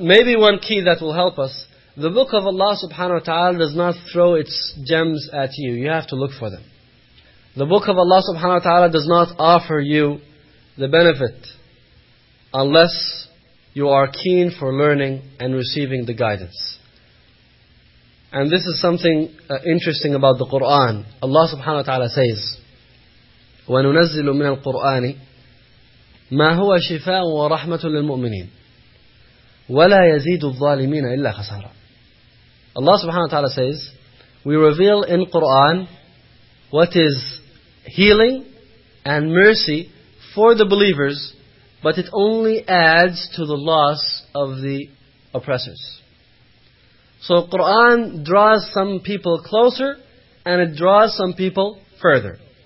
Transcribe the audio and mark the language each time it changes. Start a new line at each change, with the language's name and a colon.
English: Maybe one key that will help us, the book of Allah subhanahu wa ta'ala does not throw its gems at you. You have to look for them. The book of Allah subhanahu wa ta'ala does not offer you the benefit unless you are keen for learning and receiving the guidance. And this is something interesting about the Qur'an. Allah subhanahu wa ta'ala says,
Arabic: وَنُنَزِّلُ مِنَ الْقُرْآنِ مَا هُوَ شِفَاءٌ وَرَحْمَةٌ لِلْمُؤْمِنِينَ وَلَا يَزِيدُ الظَّالِمِينَ إِلَّا خَسَارًا.
English: Allah subhanahu wa ta'ala says, we reveal in Qur'an what is healing and mercy for the believers, but it only adds to the loss of the oppressors. So Qur'an draws some people closer and it draws some people further.